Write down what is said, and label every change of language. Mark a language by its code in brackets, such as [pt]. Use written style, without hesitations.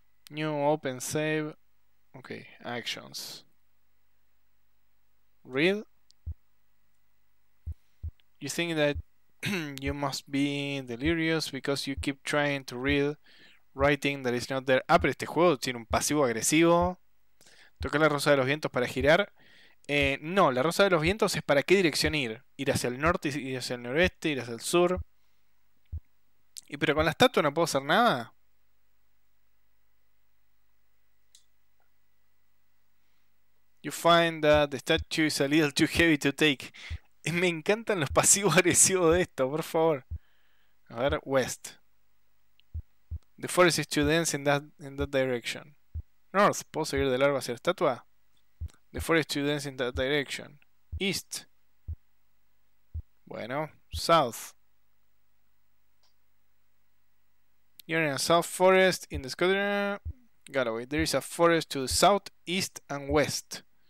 [en] New, open, save. Ok, actions. Read. You think that you must be delirious because you keep trying to read. Writing that is not there. [es] Ah, pero este juego tiene un pasivo agresivo. Tocar la rosa de los vientos para girar. No, la rosa de los vientos es para qué dirección ir. Ir hacia el norte, ir hacia el noreste, ir hacia el sur. Y pero con la estatua no puedo hacer nada. [en] You find that the statue is a little too heavy to take. [es] Me encantan los pasivos agresivos de esto, por favor. A ver, west. [en] The forest is too dense in that direction. [es] North, ¿puedo seguir de largo hacia la estatua? [en] The forest is too dense in that direction. East. Bueno, south. You're in a south forest in the Scottish. Galloway. There is a forest to the south, east and west.